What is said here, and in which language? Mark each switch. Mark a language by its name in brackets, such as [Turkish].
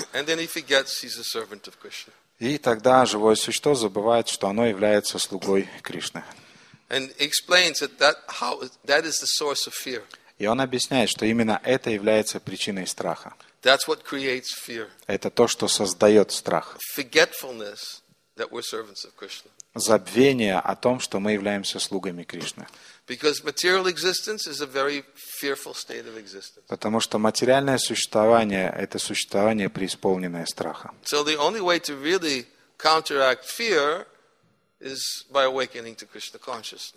[English] And then he forgets he's a servant of Krishna. [Russian] И тогда живое существо забывает, что оно является слугой Кришны. [English] And explains that is the source of fear. [Russian] И он объясняет, что именно это является причиной страха. [English] That's what creates fear. [Russian] Это то, что создает страх. [English] Forgetfulness that we're servants of Krishna. [Russian] Забвение о том, что мы являемся слугами Кришны. [English] Because material existence is a very fearful state of existence. [Russian] Потому что материальное существование – это существование, преисполненное страха. [English] So the only way to really counteract fear is by awakening to Krishna consciousness.